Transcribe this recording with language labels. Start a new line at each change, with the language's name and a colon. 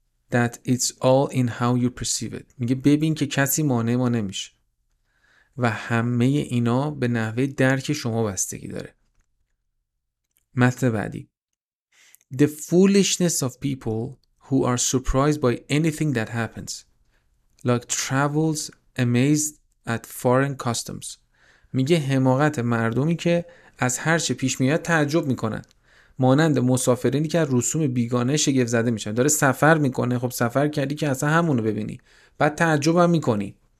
English: That it's all in how you perceive it.
Persian: میگه ببین که کسی مانع ما نمیشه. و همه اینا به نحوه درک شما بستگی داره. مثل بعدی.
English: The foolishness of people who are surprised by anything that happens. Like travels amazed at foreign customs.
Persian: میگه حماقت مردمی که از هر چه پیش میاد تعجب میکنن. مانند مسافرینی که از رسوم بیگانه شگفت زده میشن. داره سفر میکنه. خب سفر کردی که اصلا همونو ببینی. بعد تعجب هم میکنی.